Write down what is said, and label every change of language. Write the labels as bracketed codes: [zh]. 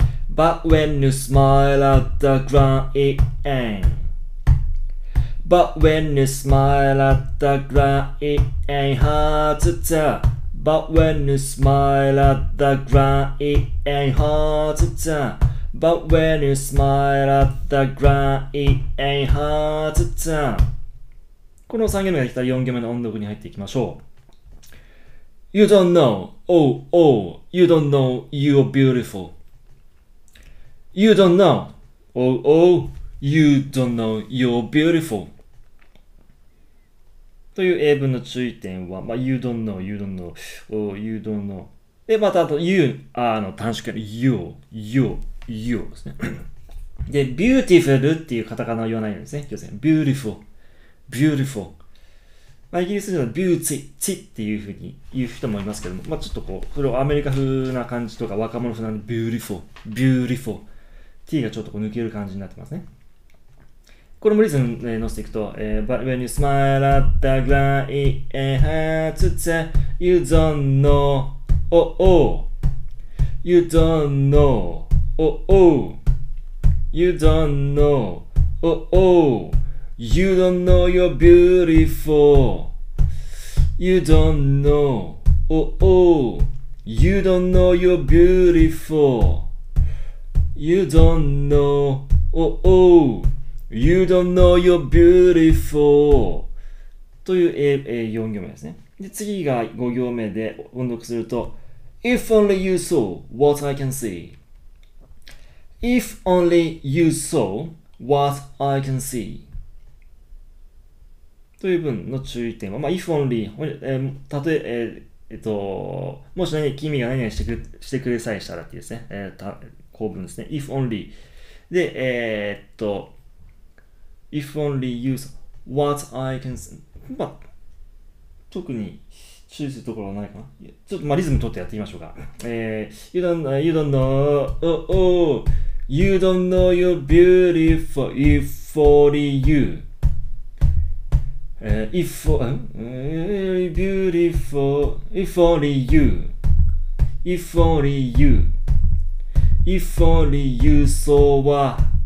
[en] But when you smile at the ground It ain'tBut when you smile at the ground, it ain't hard to tell. But when you smile at the ground, it ain't hard to tell. But when you smile at the ground, it ain't hard to tell. [ja] この3行目ができたら4行目の音読に入っていきましょう。 [en] You don't know, oh, oh, you don't know you're beautiful. You don't know, oh, oh, you don't know you're beautiful. [ja] という英文の注意点は、まあ、 [en] you don't know, you don't know, oh, you don't know. [ja] で、また、あと、you, あの、短縮形の [en] you, you, you [ja] ですね。で、beautiful っていうカタカナを言わないようにですね。要するに、beautiful, beautiful。まあ、イギリス人は beauty, ちっていうふうに言う人もいますけども、まあ、ちょっとこう、それをアメリカ風な感じとか、若者風なんで、beautiful, beautiful。 t がちょっとこう抜ける感じになってますね。これもリズムに乗せていくと、 [en] But when you smile at the ground, it ain't hard to tell. You don't know, oh oh. You don't know, oh oh. You don't know, oh oh. You don't know you're beautiful. You don't know, oh oh. You don't know you're beautiful. You don't know, oh oh. You don't know you're beautiful [ja] という4行目ですね。で、次が5行目で音読すると [en] If only you saw what I can see If only you saw what I can see [ja] という文の注意点は、まあ、If only、たとえ、もし何か君が何々してくれさえしたらっていうですね、構文ですね。 [en] If only で、If only you saw what I can see. [ja] まあ、特に注意するところはないかな。ちょっと、まあ、リズム取ってやってみましょうか。 [en] You don't know, oh, oh. You don't know you're beautiful if only you. If only beautiful if only you. If only you. If only you saw what.